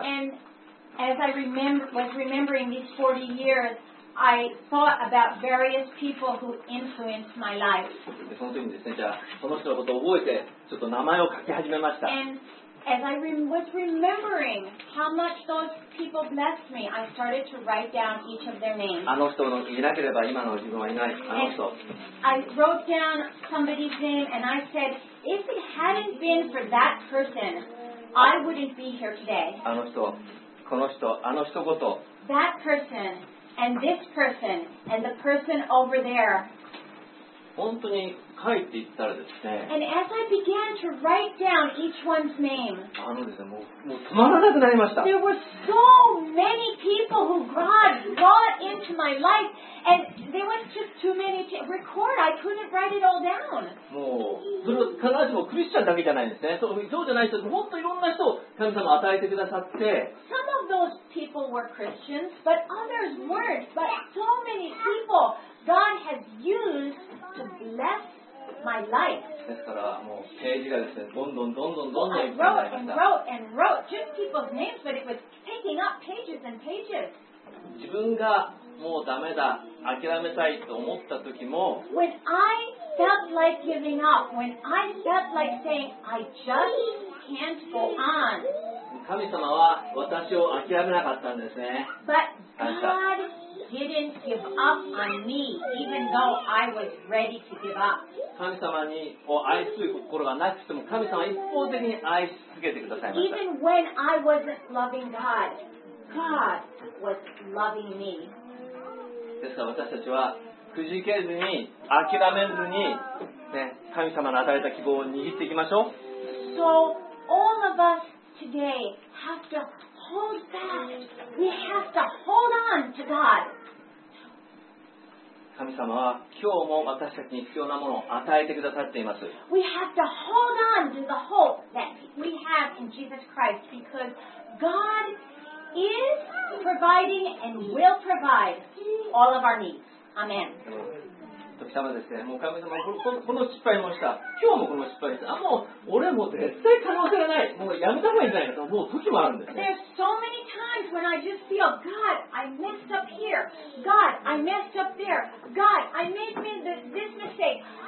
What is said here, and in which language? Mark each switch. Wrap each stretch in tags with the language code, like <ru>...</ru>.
<en>And as I was remembering these 40 years, I thought about various people who influenced my life.</en> <ja>で、その時にですね、じゃあその人のことを覚えて、ちょっと名前を書き始めました。</ja> <en>And as I was remembering how much those people blessed me, I started to write down each of their names.</en> <ja>あの人のいなければ今の自分はいない。あの人。</ja> <en>I wrote down somebody's name and I said, if it hadn't been for that person, I wouldn't be here today.</en> <ja>あの人、この人、あの人ごと。</ja> <en>That person and this person and the person over there.</en> <ja>本当に。書いていったらですね。</ja> <en>And as I began to write down each one's name,</en> <ja>もう止まらなくなりました。</ja> <en>There were so many people who God brought into my life, and there was just too many to record. I couldn't write it all down.</en> <ja>もうそれは必ずしもクリスチャンだけじゃないんですね。そうじゃない人ももっといろんな人を神様与えてくださって。</ja> <en>Some of those people were Christians, but others weren't. But so many people God has used to bless. My life.</en> <ja>ですからもうページがですね、どんどんどんどんどんどん。</ja> <en>I wrote and wrote and wrote just people's names, but it was taking up pages and pages.</en> <ja>自分がもうダメだ、諦めたいと思った時も、</ja> <en>When I felt like giving up, when I felt like saying I just can't go on,</en> <ja>神様は私を諦めなかったんですね。</ja> <en>But God didn't give up on me, even though I was ready to give up.</en> <ja>神様にを愛する心がなくても神様は一方的に愛し続けてくださいました。</ja> <en>Even when I wasn't loving God, God was loving me.</en> <ja>ですから私たちはくじけずに諦めずに、ね、神様の与えた希望を握っていきましょう。</ja> <en>So all of us today have to hold fast. We have to hold on to God.</en> <ja>神様は今日も私たちに必要なものを与えてくださっています。</ja> <en>We have to hold on to the hope that we have in Jesus Christ because God is providing and will provide all of our needs. Amen.</en> <ja>時様ですね。もう神様この失敗もした。今日もこの失敗した。もう俺も絶対可能性がない。もうやめた方がいいんじゃないかと。もう時もあるんですね。</ja> <en>There's so many times when I just feel, God, I messed up here. God, I messed up there. God, I made me this mistake.</en>